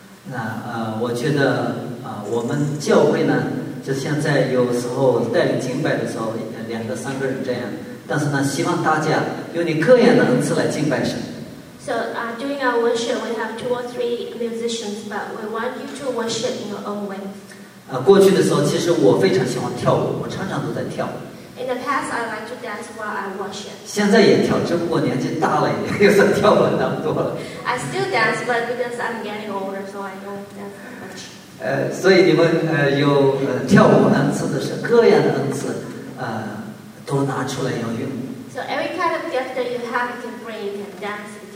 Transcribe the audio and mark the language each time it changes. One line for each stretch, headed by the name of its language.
Chinese: 那我觉得我们教会呢，就像在有时候带领敬拜的时候，两个三个人这样。但是呢，希望大家用你个人的恩赐来敬拜神。
English: During our worship, we have two or three musicians, but we want you to worship in your own way.
Chinese: 过去的时候，其实我非常喜欢跳舞，我常常都在跳舞。
English: In the past, I like to dance while I worship.
Chinese: 现在也跳，只不过年纪大了，也就是跳舞那么多了。
English: I still dance, but because I'm getting older, so I don't dance much.
Chinese: 所以你们有跳舞恩赐的是各样的恩赐，都拿出来要用。
English: So every kind of gift that you have, you can bring, you can dance.